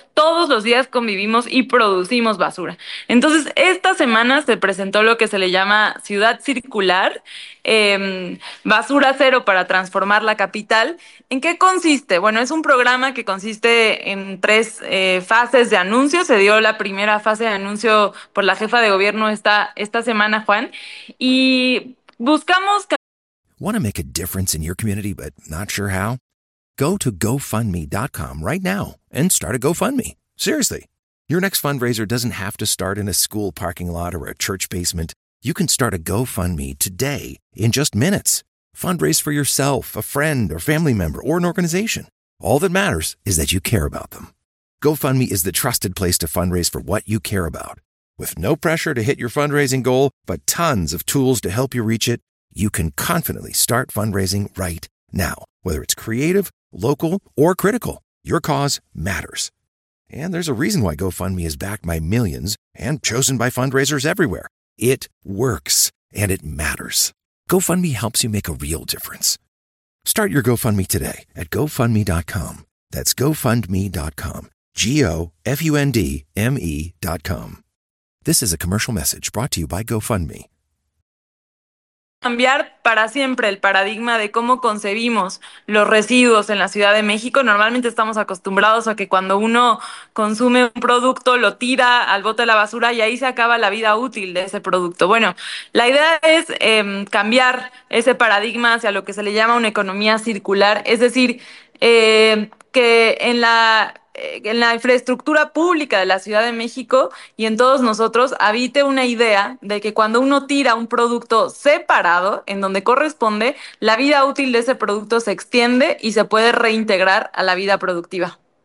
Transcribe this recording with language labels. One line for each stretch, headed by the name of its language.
Spanish: Todos los días convivimos y producimos basura. Entonces, esta semana se presentó lo que se le llama Ciudad Circular, Basura Cero para transformar la capital. ¿En qué consiste? Bueno, es un programa que consiste en tres fases de anuncio. Se dio la primera fase de anuncio por la jefa de gobierno esta semana, Juan. Y buscamos...
English: Want to make a difference in your community, but not sure how? Go to GoFundMe.com right now and start a GoFundMe. Seriously, your next fundraiser doesn't have to start in a school parking lot or a church basement. You can start a GoFundMe today in just minutes. Fundraise for yourself, a friend, or family member, or an organization. All that matters is that you care about them. GoFundMe is the trusted place to fundraise for what you care about. With no pressure to hit your fundraising goal, but tons of tools to help you reach it, you can confidently start fundraising right now. Whether it's creative, local, or critical, your cause matters. And there's a reason why GoFundMe is backed by millions and chosen by fundraisers everywhere. It works, and it matters. GoFundMe helps you make a real difference. Start your GoFundMe today at GoFundMe.com. That's GoFundMe.com. GOFUNDME.com. This is a commercial message brought to you by GoFundMe.
Spanish: Cambiar para siempre el paradigma de cómo concebimos los residuos en la Ciudad de México. Normalmente estamos acostumbrados a que cuando uno consume un producto lo tira al bote de la basura y ahí se acaba la vida útil de ese producto. Bueno, la idea es cambiar ese paradigma hacia lo que se le llama una economía circular, es decir, que en la infraestructura pública de la Ciudad de México y en todos nosotros habite una idea de que cuando uno tira un producto separado en donde corresponde, la vida útil de ese producto se extiende y se puede reintegrar a la vida productiva.